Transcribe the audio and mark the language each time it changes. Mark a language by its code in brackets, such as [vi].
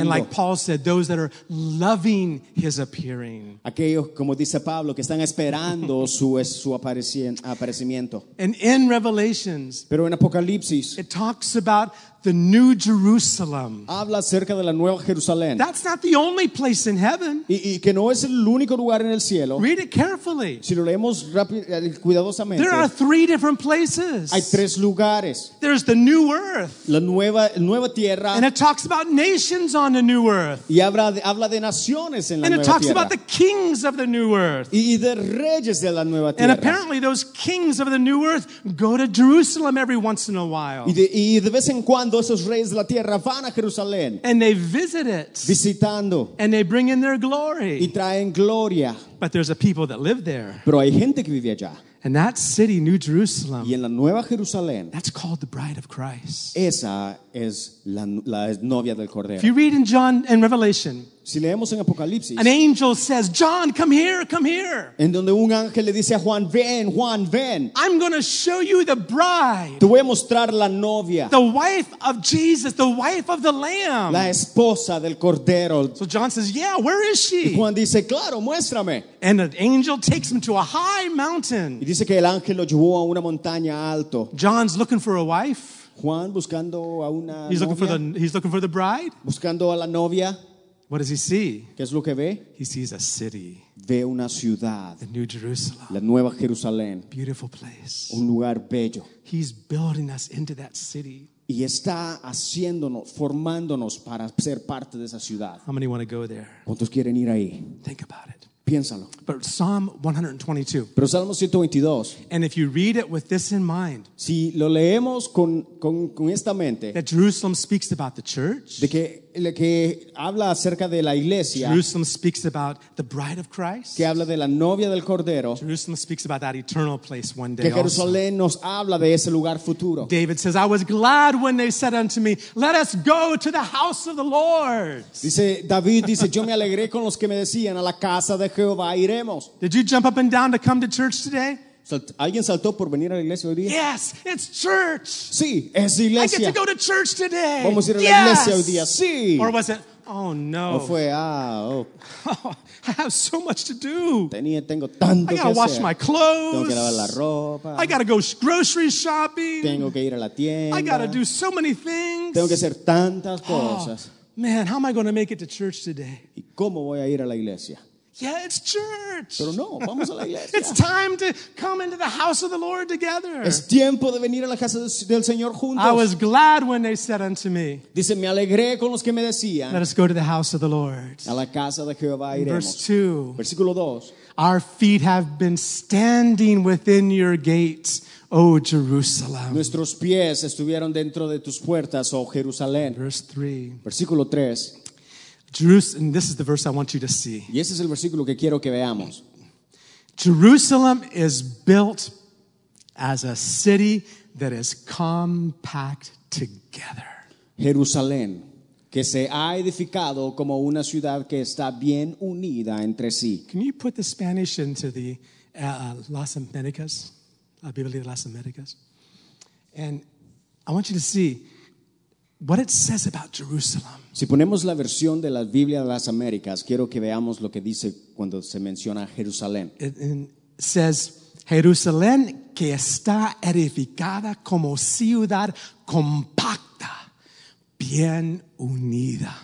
[en] And like Paul said, those that are loving his appearing. [es] Aquellos, como dice Pablo, que están esperando su aparecimiento. [en] And in Revelations, [es] pero en Apocalipsis, [en] it talks about the new Jerusalem. [es] Habla acerca de la nueva Jerusalén. [en] That's not the only place in heaven. [es] Y que no es el único lugar en el cielo. [en] Read it carefully. [es] Si lo leemos cuidadosamente. [en] There are three different places. [es] Hay tres lugares. [en] There's the new earth. [es] La nueva tierra. [en] And it talks about nations on the new earth. [es] Y habla de naciones en la nueva tierra. [en] And it talks about the kings of the new earth. [es] Y de reyes de la nueva tierra. [en] And apparently those kings of the new earth go to Jerusalem every once in a while. [es] Y de vez en cuando esos reyes de la tierra van a Jerusalén. [en] And they visit it. [es] Visitando. [en] And they bring in their glory. [es] Y traen gloria. [en] But there's a people that live there. [es] Pero hay gente que vive allá. [en] And that city, New Jerusalem. [es] Y en la nueva Jerusalén. [en] That's called the bride of Christ. [es] Esa es la novia del Cordero. [en] If you read in John and Revelation. [es] Si leemos en Apocalipsis. [en] An angel says, John, come here, come here. [es] En donde un ángel le dice a Juan, ven, Juan, ven. [en] I'm going to show you the bride. [es] Te voy a mostrar la novia. [en] The wife of Jesus, the wife of the Lamb. [es] La esposa del Cordero. [en] So John says, yeah, where is she? [es] Y Juan dice, claro, muéstrame. [en] And an angel takes him to a high mountain. [es] Y dice que el ángel lo llevó a una montaña alto. [en] John's looking for a wife. [es] Juan buscando a una [en] he's Looking for the, he's looking for the bride. [es] Buscando a la novia. [en] What does he see? [es] ¿Qué es lo que ve? [en] He sees a city. [es] Ve una ciudad. [en] The New Jerusalem. [es] La nueva Jerusalén. [en] Beautiful place. [es] Un lugar bello. [en] He's building us into that city. [es] Y está haciéndonos, formándonos para ser parte de esa ciudad. [en] How many want to go there? [es] ¿Cuántos quieren ir ahí? [en] Think about it. [es] Piénsalo. [en] But Psalm 122. [es] Pero Salmo 122. [en] And if you read it with this in mind. [es] Si lo leemos con esta mente. [en] That Jerusalem speaks about the church. [es] De que que habla acerca de la iglesia. [en] Jerusalem speaks about the bride of Christ. [es] Que habla de la novia del cordero. [en] Jerusalem speaks about that eternal place one day. [es] Que Jerusalén nos habla de ese lugar futuro. [en] David says, "I was glad when they said unto me, 'Let us go to the house of the Lord.'" [es] Dice David, dice, "Yo me alegré con los que me decían, 'A la casa de Jehová iremos.'" [en] Did you jump up and down to come to church today? [es] ¿Alguien saltó por venir a la iglesia hoy día? [en] Yes, it's church. [es] Sí, es iglesia. [en] I get to go to church today. [es] Vamos a ir a la iglesia hoy día. Sí. [en] Or was it? Oh no. [es] O fue, oh. [en] I have so much to do. [es] Tengo tanto que hacer. [en] I gotta wash my clothes. [es] Tengo que lavar la ropa. [en] I gotta go grocery shopping. [es] Tengo que ir a la tienda. [en] I gotta do so many things. [es] Tengo que hacer tantas cosas. [en] Oh, man, how am I going to make it to church today? [es] ¿Y cómo voy a ir a la iglesia? [en] Yeah, it's church. [es] Pero no, vamos a la iglesia. [en] It's time to come into the house of the Lord together. [es] Es tiempo de venir a la casa del Señor juntos. [en] I was glad when they said unto me. [es] Dice, me alegré con los que me decían. [en] Let us go to the house of the Lord. [es] A la casa de Jehová iremos. [en] Verse 2. [es] Versículo 2. [en] Our feet have been standing within your gates, O Jerusalem. [es] Nuestros pies estuvieron dentro de tus puertas, oh Jerusalén. [en] Verse 3. [es] Versículo 3. [en] Jerusalem, and this is the verse I want you to see. [es] Y ese es el versículo que quiero que veamos. [en] Jerusalem is built as a city that is compact together. [es] Jerusalén, que se ha edificado como una ciudad que está bien unida entre sí. [en] Can you put the Spanish into the Las Américas, la Biblia de Las Américas? And I want you to see what it says about Jerusalem. [es] Si ponemos la versión de la Biblia de las Américas, quiero que veamos lo que dice cuando se menciona Jerusalén. [en] It says, [es] Jerusalén que está edificada como ciudad compacta, bien unida.